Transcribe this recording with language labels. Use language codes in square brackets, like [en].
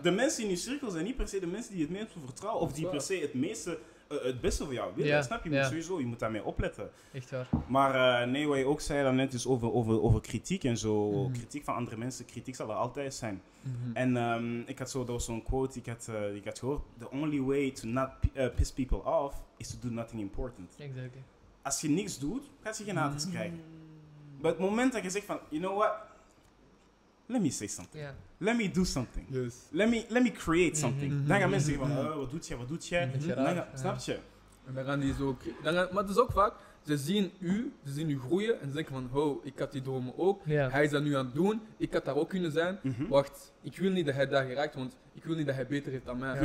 [nl] De mensen in je cirkel zijn niet per se de mensen die het meest vertrouwen of die per se het meeste het beste voor jou willen. Ja. Snap je? Sowieso, je moet daarmee opletten. Echt waar. Maar nee, wat je ook zei dan net is over kritiek en zo. Mm. Kritiek van andere mensen, kritiek zal er altijd zijn. Mm-hmm. En ik had zo'n quote gehoord. [en] The only way to not piss people off is to do nothing important. Exactly. [nl] Als je niks doet, ga je geen haters krijgen. Maar het moment dat je zegt van, [en] you know what, let me say something, let me do something, let me create something. [nl] Mm-hmm. Dan gaan mensen zeggen van, wat doet jij, snap je? En dan gaan die zo, maar het is ook vaak, ze zien u groeien en ze denken van, ik had die dromen ook, hij is dat nu aan het doen, ik had daar ook kunnen zijn, wacht, ik wil niet dat hij daar geraakt, want ik wil niet dat hij beter heeft dan mij.